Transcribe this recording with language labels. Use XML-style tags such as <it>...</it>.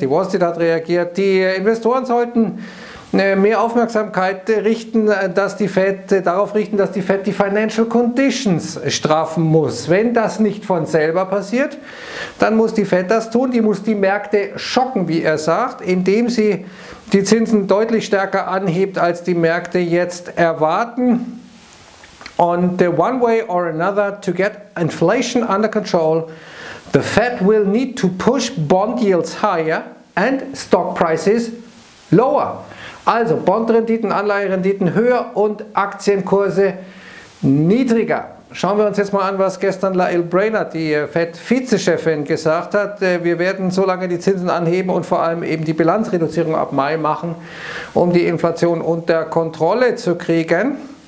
<de>Die Wall Street hat reagiert. Die Investoren sollten mehr Aufmerksamkeit richten, dass die Fed darauf richten, dass die Fed die Financial Conditions strafen muss. Wenn das nicht von selber passiert, dann muss die Fed das tun. Die muss die Märkte schocken, wie er sagt, indem sie die Zinsen deutlich stärker anhebt, als die Märkte jetzt erwarten.</de> <en>Und one way or another to get inflation under control, the Fed will need to push bond yields higher and stock prices lower.</en> <de>Also Bondrenditen, Anleiherenditen höher und Aktienkurse niedriger. Schauen wir uns jetzt mal an, was gestern Lael Brainard, die Fed-Vizechefin, gesagt hat. Wir werden so lange die Zinsen anheben und vor allem eben die Bilanzreduzierung ab Mai machen, um die Inflation unter Kontrolle zu kriegen.</de>